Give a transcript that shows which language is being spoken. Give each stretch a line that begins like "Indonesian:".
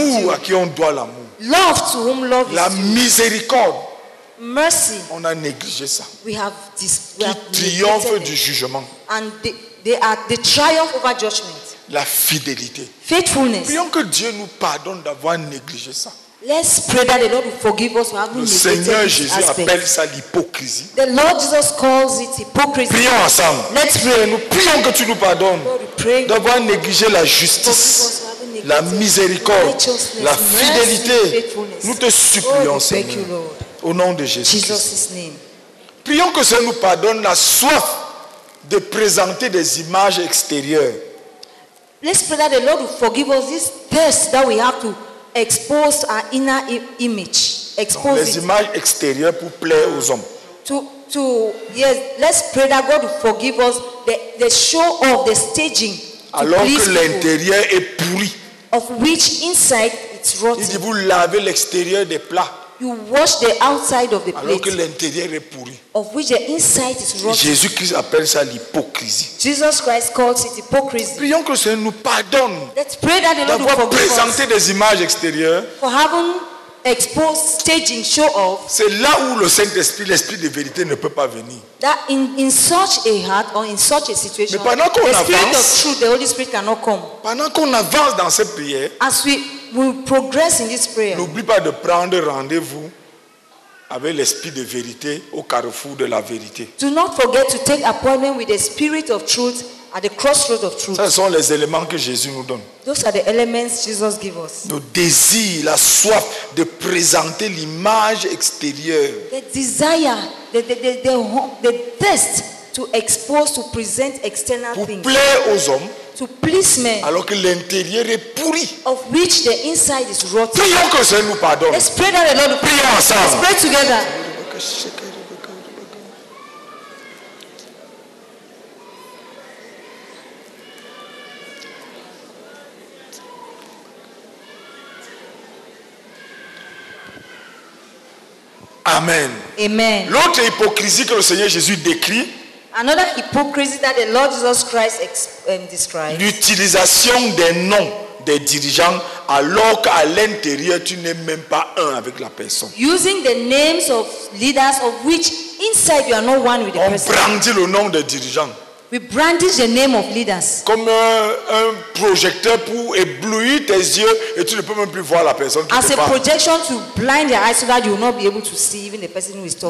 French: L'amour à qui on doit l'amour.
English: Love to whom love is due.
French: La miséricorde.
English: Mercy.
French: On a négligé ça.
English: We have this.
French: Qui triomphe du jugement.
English: And they are the triumph over judgment.
French: La fidélité.
English: Faithfulness.
French: Prions que Dieu nous pardonne d'avoir négligé ça.
English: Let's pray that the Lord will forgive us for having neglected.
French: Le Seigneur Jésus appelle ça l'hypocrisie.
English: The Lord Jesus calls it hypocrisy.
French: Prions ensemble.
English: Let's pray.
French: Nous prions que tu nous pardonnes. D'avoir négligé la justice, la miséricorde, la fidélité. Nous te supplions, Seigneur, au nom de Jésus-Christ. Prions que ça nous pardonne la soif de présenter des images extérieures.
English: Let's pray that the Lord will forgive us this thirst that we have to. Expose our inner image. Expose
French: les images extérieures pour plaire aux hommes.
English: To yes, let's pray that God will forgive us the show of the staging.
French: Alors que l'intérieur est pourri.
English: Of which inside it's rotten.
French: Il dit vous lavez l'extérieur des plats.
English: You wash the outside of the
French: alors
English: plate.
French: Alors que l'intérieur est pourri.
English: Of which the inside is rotten.
French: Jésus Christ appelle ça l'hypocrisie.
English: Jesus Christ calls it hypocrisy.
French: Prions que le Seigneur nous pardonne.
English: Let's pray that the Lord will forgive us.
French: D'avoir présenté des images extérieures.
English: For having exposed staging show off.
French: C'est là où le Saint-Esprit, l'Esprit de vérité, ne peut pas venir.
English: That in such a heart or in such a situation.
French: Mais pendant qu'on avance.
English: The Spirit of truth, the Holy Spirit cannot come.
French: Pendant qu'on avance dans cette prière.
English: As we will progress in this prayer.
French: N'oublie pas de prendre rendez-vous avec l'Esprit de vérité au carrefour de la vérité.
English: Do not forget to take appointment with the Spirit of truth at the crossroads of truth.
French: Ce sont les éléments que Jésus nous donne.
English: Those are the elements Jesus gives us.
French: Le désir, la soif de présenter l'image extérieure.
English: The desire, the thirst to expose, to present external
French: pour
English: things.
French: Pour plaire aux hommes.
English: To please men,
French: alors que l'intérieur est pourri.
English: Of which the inside is rotten.
French: Prions que le Seigneur nous pardonne.
English: Let's pray that the Lord will
French: prions ensemble.
English: Let's pray together.
French: Amen.
English: Amen.
French: L'autre hypocrisie que le Seigneur Jésus décrit.
English: Another hypocrisy that the Lord Jesus Christ describes.
French: L'utilisation des noms des dirigeants alors qu'à l'intérieur tu n'es même pas un avec la personne.
English: Using the names of leaders of which inside you are not one with the
French: on
English: person.
French: On brandit le nom des dirigeants.
English: We brandish the name of leaders.
French: Comme un projecteur pour éblouir tes yeux et tu ne peux même plus voir la personne qui
English: as
French: te parle.
English: As a projection to blind your eyes so that you will not be able to see even the person who is talking.